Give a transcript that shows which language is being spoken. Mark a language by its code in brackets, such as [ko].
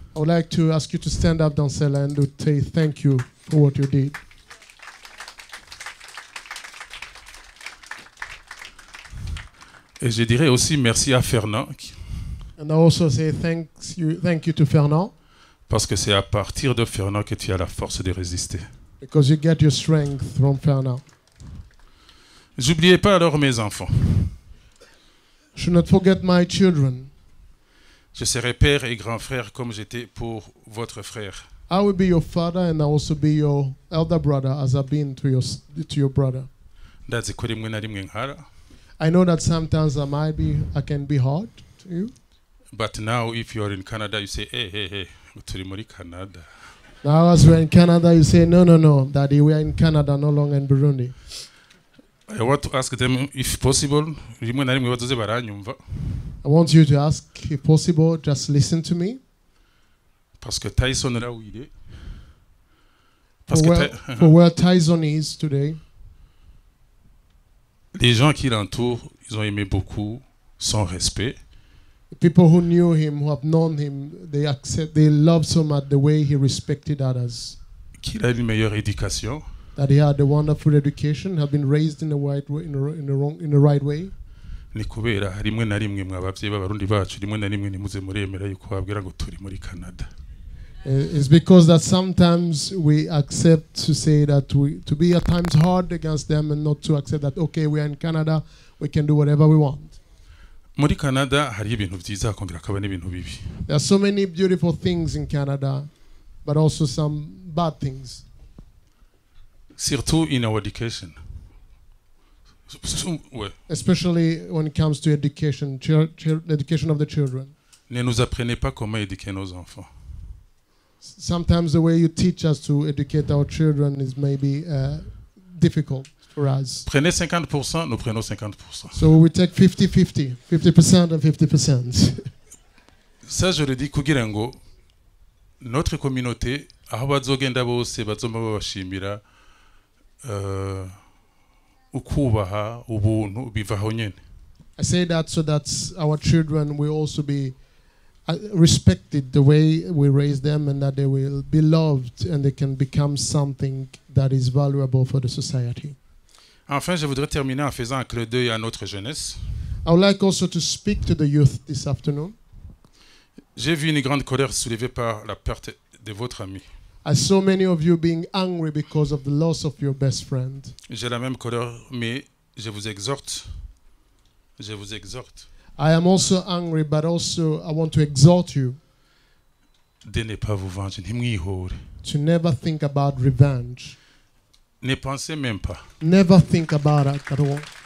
[en] I would like to ask you to stand up, Dansera, and to say thank you for what you did. [fr] Et je dirais aussi merci à Fernand. [en] And I also say thank you to Fernand. [fr] Parce que c'est à partir de Fernand que tu as la force de résister. [en] Because you get your strength from Fernand. [fr] J'oubliais pas alors mes enfants. [en] Should not forget my children. [fr] Je serai père et grand frère comme j'étais pour votre frère. [en] I will be your father and I will also be your elder brother as I've been to your brother. [rn] Ndazi kuri mwe narimwe nkara. [en] I know that sometimes I can be hard to you. But now if you are in Canada, you say, hey, hey, hey, [rn] turi muri Canada. [en] Now as we're in Canada, you say, no, daddy, we are in Canada, no longer in Burundi. I want to ask them, if possible, I want you to ask, if possible, just listen to me. [fr] Parce que Tyson là où il est. [en] For where Tyson is today. [fr] Les gens qui l'entourent, ils ont aimé beaucoup son respect. [en] The people who knew him, who have known him, they loved so much the way he respected others. [fr] Qu'il a une meilleure éducation. [en] That he had a wonderful education, had been raised in the right way, in the right way. [rn] Ni kubera rimwe na rimwe mwa babyeyi b'abarundi bacu rimwe na rimwe nimuze muremera yuko babwira ngo turi muri Canada. [en] It's because that sometimes we accept to say that to be at times hard against them and not to accept that, okay, we are in Canada, we can do whatever we want. [rn] Muri Canada hari ibintu byiza akongera akaba n'ibintu bibi. [en] There are so many beautiful things in Canada, but also some bad things. [fr] Surtout [en] in our education. Especially when it comes to education, education of the children. [fr] Ne nous apprenez pas comment éduquer nos enfants. [en] Sometimes the way you teach us to educate our children is maybe difficult for us. [fr] Prenez 50%, nous prenons 50%. [en] So we take 50-50, 50% and 50%. [fr] Ça, je le dis, [rn] kugira ngo, [fr] notre communauté, [rn] aho bazogenda bose, bazomba babashimira, ukubaha ubuntu bivaho nyene. [en] I say that so that our children will also be respected the way we raise them, and that they will be loved and they can become something that is valuable for the society. [fr] Enfin, je voudrais terminer en faisant un clin d'œil à notre jeunesse. [en] I would like also to speak to the youth this afternoon. [fr] J'ai vu une grande colère soulevée par la perte de votre ami. I saw many of you being angry because of the loss of your best friend. J'ai la même colère, mais je vous exhorte. Je vous exhorte. [en] I am also angry, but also I want to exhort you. [fr] De ne pas vous venger, ni m'y. [en] To never think about revenge. [fr] Ne pensez même pas. [en] Never think about it at all.